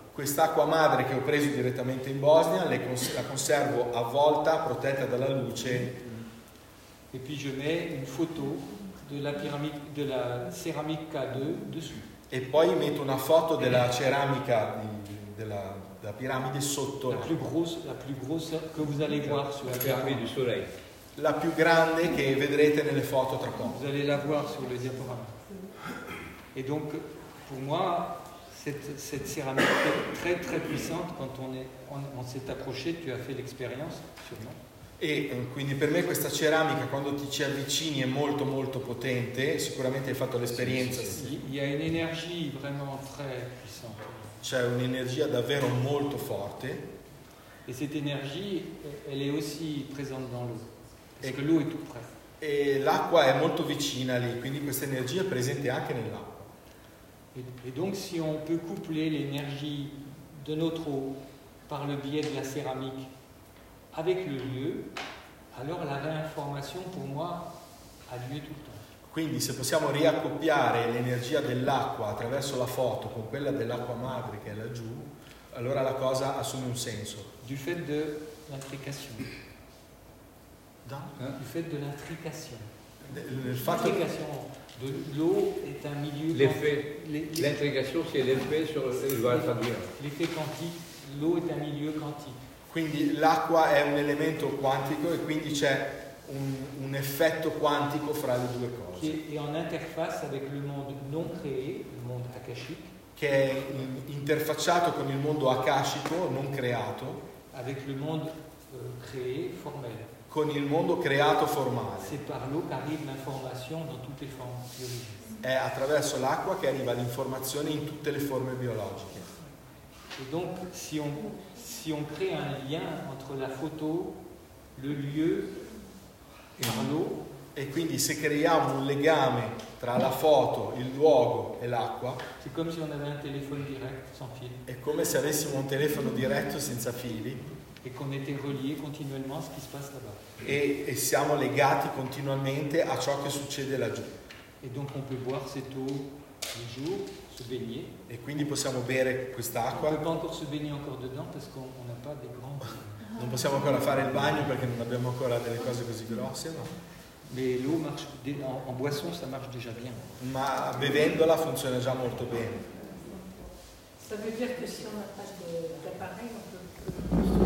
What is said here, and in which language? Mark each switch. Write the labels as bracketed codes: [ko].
[it] Quest'acqua madre che ho preso direttamente in Bosnia, la conservo avvolta, protetta dalla luce. [fr] Et puis je mets une photo de la pyramide, de la céramique K2 dessus. [it] E poi metto una foto della ceramica della piramide sotto. La più grossa che [fr] vous allez voir sur la piramide du soleil. [it] La più grande che vedrete nelle foto tra poco. [fr] Vous allez la voir sur le diaporama. Et donc pour moi cette céramique est très très puissante quand on s'est approché, tu as fait l'expérience sûrement. [it] E quindi per me questa ceramica quando ti ci avvicini è molto molto potente, sicuramente hai fatto l'esperienza. [fr] Il y a une énergie vraiment très puissante. [it] C'è un'energia davvero molto forte. [fr] E cette énergie elle est aussi présente dans l'eau. Parce que l'eau est tout près. [it] E l'acqua è molto vicina lì, quindi questa energia è presente anche nell'acqua. [fr] Et donc si on peut coupler l'énergie de notre eau par le biais de la céramique avec le lieu, alors la réinformation pour moi a lieu tout le temps. [it] Quindi se possiamo riaccoppiare l'energia dell'acqua attraverso la foto con quella dell'acqua madre che è laggiù, allora la cosa assume un senso. [fr] Du fait de l'intrication. Du fait de l'intrication. L'intrication de l'eau est un milieu... L'effet. L'intrication, c'est l'effet sur le traduire. L'effet quantique, l'eau est un milieu quantique. [it] Quindi l'acqua è un elemento quantico e quindi c'è un effetto quantico fra le due cose. [fr] Qui est en interface avec le monde non créé, le monde akashique. [it] Che è interfacciato con il mondo akashico, non creato. [fr] Avec le monde créé, formel. [it] Con il mondo creato formale. [fr] C'est par l'eau qu'arrive l'information dans toutes les formes biologiques. [it] È attraverso l'acqua che arriva l'informazione in tutte le forme biologiche. [fr] Et donc, si on crée un lien entre la photo, le lieu et l'eau. [it] E quindi se creiamo un legame tra la foto, il luogo e l'acqua. [fr] C'est comme si on avait un téléphone direct sans fil. [it] È come se avessimo un telefono diretto senza fili. [fr] Et qu'on était relié continuellement à ce qui se passe là-bas. [it] E siamo legati continuamente a ciò che succede laggiù. [fr] Et donc on peut boire cette eau les jours, se baigner. [it] E quindi possiamo bere quest'acqua. [fr] On peut pas encore se baigner encore dedans parce qu'on n'a pas des grands. [it] Non possiamo ancora fare il bagno perché non abbiamo ancora delle cose così grosse, no? [fr] Mais l'eau marche en boisson, ça marche déjà bien. [it] Ma bevendola funziona già molto bene. [fr] Ça veut dire que si on n'a pas d'appareil, on peut.